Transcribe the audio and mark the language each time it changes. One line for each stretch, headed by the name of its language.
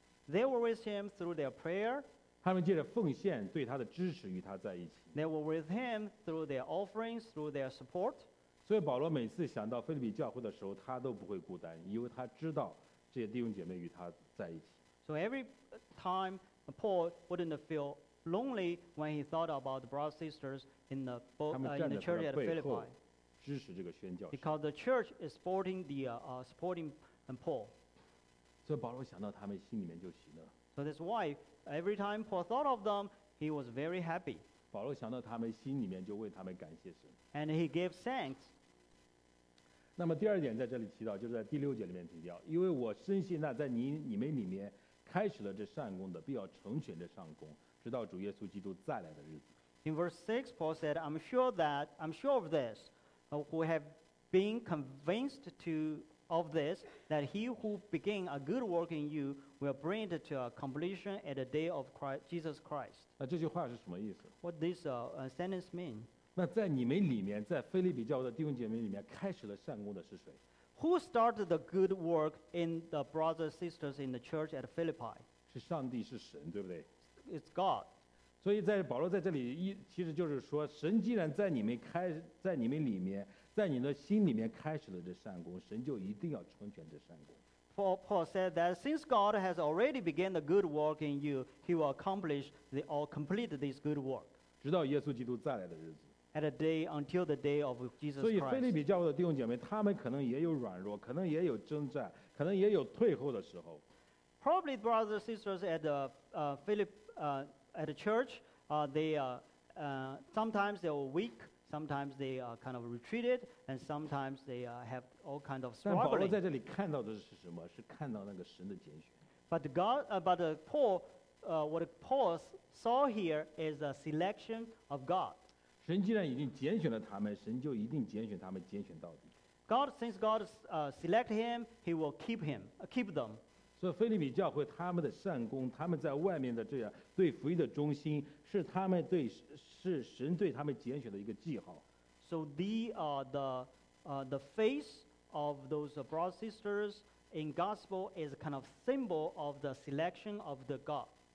English: They were with him through their prayer. They were with him through their offerings, through their support.
Chinese: 所以保罗每次想到腓立比教会的时候，他都不会孤单，因为他知道这些弟兄姐妹与他在一起。
English: So every time Paul wouldn't feel lonely when he thought about the brothers and sisters in the church at Philippi.
Chinese: 支持这个宣教士。
English: Because the church is supporting supporting Paul.
Chinese: 所以保罗想到他们，心里面就喜乐。
English: So that's why every time Paul thought of them, he was very happy.
Chinese: 保罗想到他们，心里面就为他们感谢神。
English: And he gave thanks.
Chinese: 那么第二点在这里提到，就是在第六节里面提到，因为我深信那在你们里面开始了这善工的，必要成全这善工，直到主耶稣基督再来的日子。
English: In verse 6, Paul said, I'm sure of this, who have been convinced of this, that he who began a good work in you will bring it to a completion at the day of Christ, Jesus Christ.
Chinese: 那这句话是什么意思？
English: What this sentence mean?
Chinese: 那在你们里面，在腓立比教会的弟兄姐妹里面，开始了善工的是谁
English: ？Who started the good work in the brothers sisters in the church at Philippi？
Chinese: 是上帝，是神，对不对
English: ？It's God。
Chinese: 所以在保罗在这里其实就是说，神既然在你们里面，在你的心里面开始了这善工，神就一定要成全这善工。
English: Paul said that since God has already begun the good work in you, He will accomplish the or complete this good work。
Chinese: 直到耶稣基督再来的日子。
English: At a day until the day of Jesus Christ.
Chinese: 所以腓立比教会的弟兄姐妹，他们可能也有软弱，可能也有征战，可能也有退后的时候。
English: Probably brothers and sisters at the at a church, sometimes they were weak, sometimes they are kind of retreated, and sometimes they have all kind of struggling.
Chinese: 但保罗在这里看到的是什么？是看到那个神的拣选。
English: But God, but Paul, what Paul saw here is a selection of God.
Chinese: 神既然已经拣选了他们，神就一定拣选他们，拣选到底。
English: God, since God select him, he will keep them.
Chinese: 所以腓立比教会他们的善工，他们在外面的这样对福音的忠心，是他们对是神对他们拣选的一个记号。
English: So the face of those brothers and sisters in gospel is a kind of symbol of the selection of the God.